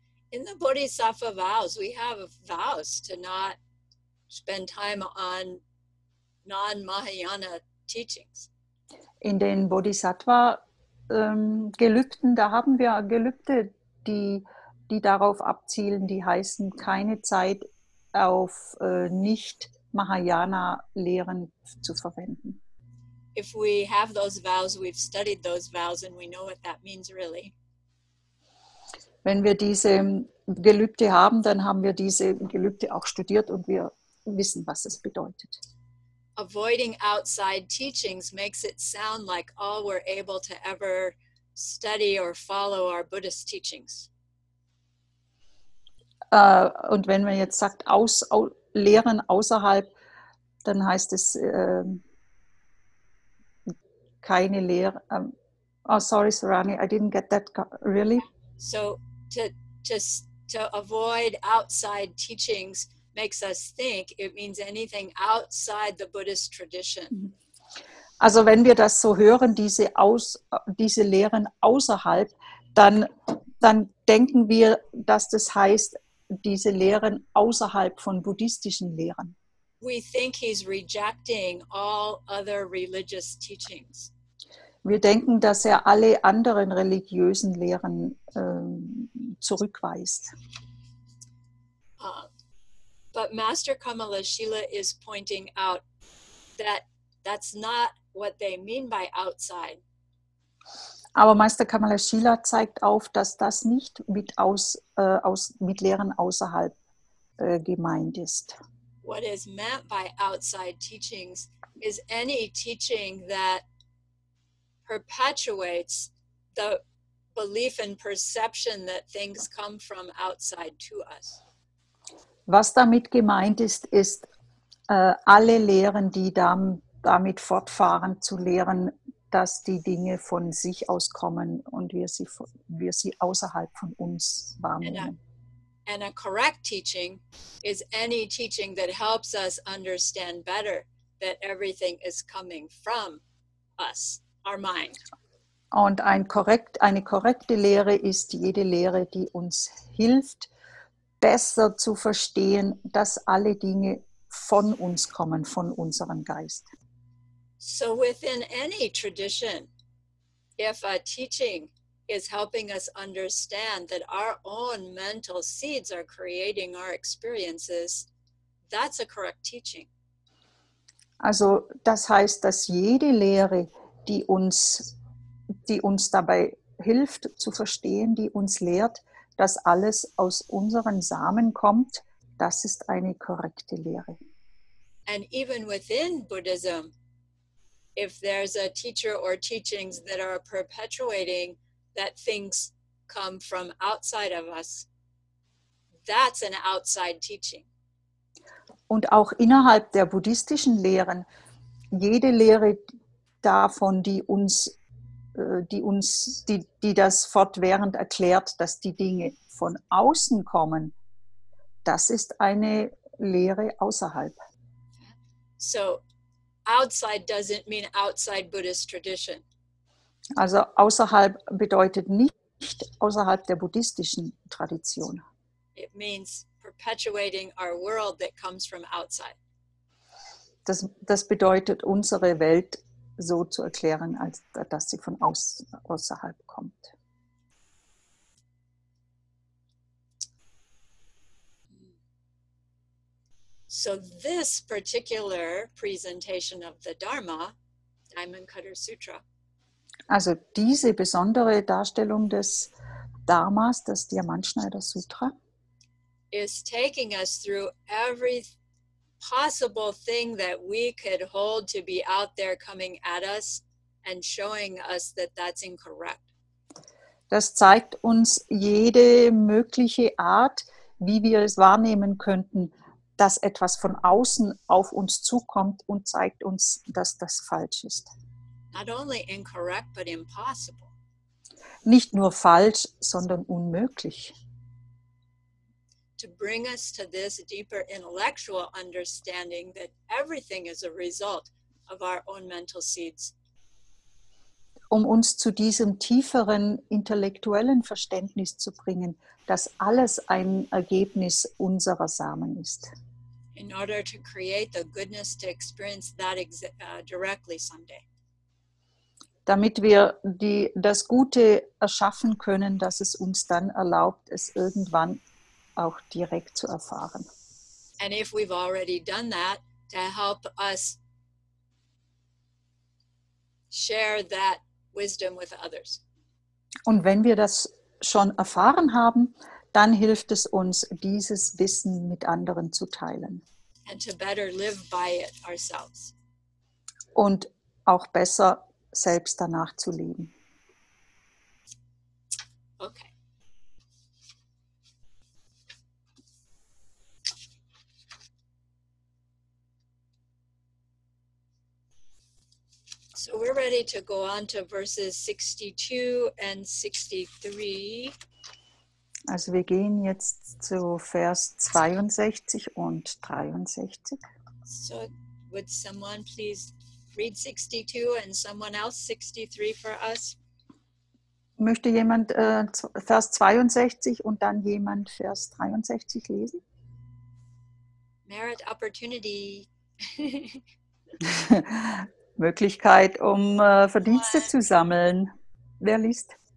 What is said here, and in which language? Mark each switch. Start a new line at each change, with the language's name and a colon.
English: In the Bodhisattva vows, we have vows to not spend time on non-Mahayana teachings.
German: In den Bodhisattva Gelübden, da haben wir Gelübde, die darauf abzielen, die heißen, keine Zeit auf Nicht-Mahayana-Lehren zu verwenden.
English: If we have those vows, we've studied those vows and we know what that means really.
German: Wenn wir diese Gelübde haben, dann haben wir diese Gelübde auch studiert und wir wissen, was es bedeutet.
English: Avoiding outside teachings makes it sound like all we're able to ever study or follow are Buddhist teachings.
German: Und wenn man jetzt sagt, Lehren außerhalb, dann heißt es, keine Lehre.
English: Sorry, Sarani, I didn't get that really. So to avoid outside teachings makes us think it means anything outside the Buddhist tradition.
German: Also wenn wir das so hören, diese Lehren außerhalb, dann denken wir, dass das heißt, diese Lehren außerhalb von buddhistischen Lehren.
English: We think he's rejecting all other religious teachings.
German: Wir denken, dass er alle anderen religiösen Lehren zurückweist.
English: But Master Kamala Shila is pointing out that that's not what they mean by outside.
German: Aber Meister Kamala Shila zeigt auf, dass das nicht mit Lehren außerhalb gemeint ist.
English: What is meant by outside teachings is any teaching that perpetuates the belief and perception that things come from outside to us.
German: Was damit gemeint ist, ist alle Lehren, die damit fortfahren, zu lehren, dass die Dinge von sich aus kommen und wir sie außerhalb von uns wahrnehmen.
English: And a correct teaching is any teaching that helps us understand better that everything is coming from us, our mind.
German: Und eine korrekte Lehre ist jede Lehre, die uns hilft, besser zu verstehen, dass alle Dinge von uns kommen, von unserem Geist.
English: So within any tradition, if a teaching is helping us understand that our own mental seeds are creating our experiences, that's a correct teaching.
German: Also das heißt, dass jede Lehre, die uns dabei hilft zu verstehen, die uns lehrt, dass alles aus unseren Samen kommt, das ist eine korrekte Lehre.
English: And even within Buddhism, if there's a teacher or teachings that are perpetuating that things come from outside of us, that's an outside teaching.
German: Und auch innerhalb der buddhistischen Lehren, jede Lehre davon, die das fortwährend erklärt, dass die Dinge von außen kommen, das ist eine Lehre außerhalb.
English: So, outside doesn't mean outside Buddhist tradition.
German: Also außerhalb bedeutet nicht außerhalb der buddhistischen Tradition.
English: It means perpetuating our world that comes from outside.
German: Das bedeutet, unsere Welt so zu erklären, als dass sie von außerhalb kommt.
English: So this particular presentation of the Dharma, Diamond Cutter Sutra.
German: Also diese besondere Darstellung des Dharmas, des Diamantschneider Sutra,
English: is taking us through every possible thing that we could hold to be out there coming at us and showing us that that's incorrect.
German: Das zeigt uns jede mögliche Art, wie wir es wahrnehmen könnten, dass etwas von außen auf uns zukommt und zeigt uns, dass das falsch ist.
English: Not only incorrect, but impossible.
German: Nicht nur falsch, sondern unmöglich.
English: To bring us to this deeper intellectual understanding that everything is a result of our own mental seeds.
German: Um uns zu diesem tieferen intellektuellen Verständnis zu bringen, dass alles ein Ergebnis unserer Samen ist.
English: In order to create the goodness to experience that directly someday.
German: Damit wir das Gute erschaffen können, dass es uns dann erlaubt, es irgendwann auch direkt zu erfahren.
English: And if we've already done that, to help us share that wisdom with others.
German: Und wenn wir das schon erfahren haben, dann hilft es uns, dieses Wissen mit anderen zu teilen.
English: And to better live by it ourselves.
German: Und auch besser selbst danach zu leben.
English: Okay. So we're ready to go on to verses 62 and 63.
German: Also wir gehen jetzt zu Vers 62 und 63.
English: So would someone please read 62 and someone else 63 for us?
German: Möchte jemand Vers 62 und dann jemand Vers 63 lesen?
English: Merit opportunity.
German: Möglichkeit, um Verdienste zu sammeln. Wer liest?